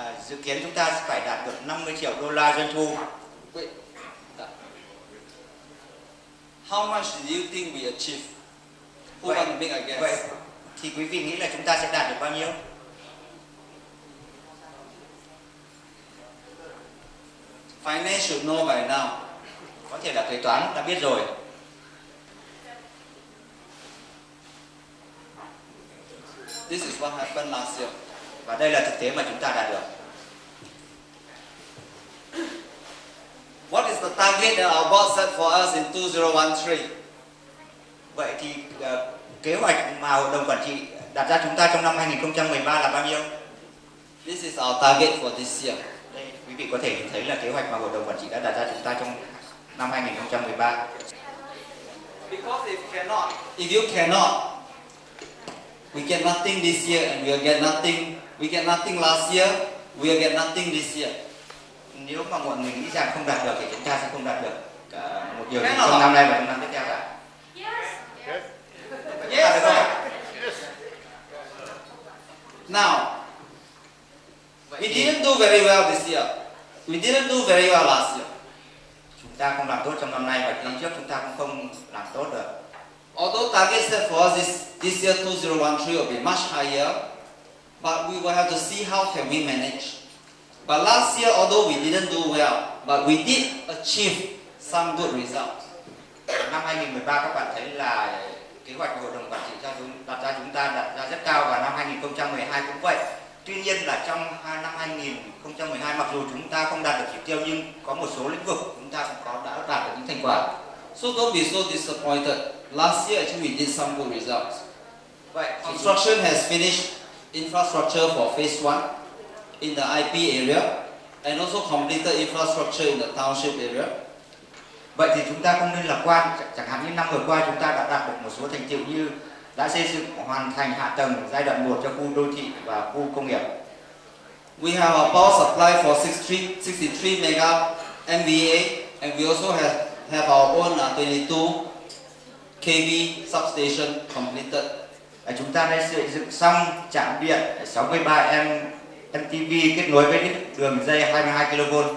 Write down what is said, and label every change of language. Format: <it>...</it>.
<vi>Dự kiến chúng ta sẽ phải đạt được 50 triệu đô la doanh thu.</vi> <en>Wait. How much do you think we achieve? Who</en> <vi>vậy,</vi> <en>want to make a guess?</en> <vi>Vậy, thì quý vị nghĩ là chúng ta sẽ đạt được bao nhiêu?</vi> <en>Finance should know by now.</en> <vi>Có thể là kế toán đã biết rồi.</vi> <en>This is what happened last year.</en> <vi>Và đây là thực tế mà chúng ta đạt được.</vi> <en>What is the target that our board set for us in 2013?</en> <vi>Vậy thì kế hoạch mà hội đồng quản trị đặt ra chúng ta trong năm 2013 là bao nhiêu?</vi> <en>This is our target for this year.</en> <vi>Đây, quý vị có thể nhìn thấy là kế hoạch mà hội đồng quản trị đã đặt ra chúng ta trong năm 2013.</vi> <en>Because if you cannot, we get nothing this year and we'll get nothing. We get nothing last year, we'll get nothing this year.</en> <vi>Nếu mà mọi người nghĩ rằng không đạt được thì chúng ta sẽ không đạt được cả một điều gì trong năm nay và trong năm tiếp theo cả.</vi> <en>Yes. Yes. Yes. Now, we didn't do very well this year. We didn't do very well last year.</en> <vi>Chúng ta không làm tốt trong năm nay và năm trước chúng ta cũng không làm tốt được.</vi> <en>Although target set for us this year 2013 will be much higher, but we will have to see how can we manage. But last year, although we didn't do well, but we did achieve some good results.</en> <vi>Năm 2013 các bạn thấy là kế hoạch của hội đồng quản trị đặt ra chúng ta đặt ra rất cao và năm 2012 cũng vậy. Tuy nhiên là trong năm 2012, mặc dù chúng ta không đạt được chỉ tiêu nhưng có một số lĩnh vực chúng ta cũng đã đạt được những thành quả.</vi> <en>So don't be so disappointed. Last year actually we did some good results.</en> <vi>Vậy,</vi> <en>construction has finished infrastructure for phase 1 in the IP area and also completed infrastructure in the township area.</en> <vi>Vậy thì chúng ta không nên lạc quan, chẳng hạn như năm vừa qua chúng ta đã đạt được một số thành tựu như đã xây dựng hoàn thành hạ tầng giai đoạn 1 cho khu đô thị và khu công nghiệp.</vi> <en>We have a power supply for 63 mega MVA and we also have our own 22 kV substation completed.</en> <vi>Chúng ta đã xây dựng xong trạm điện 63 MTV kết nối với đường dây 22 kV.</vi>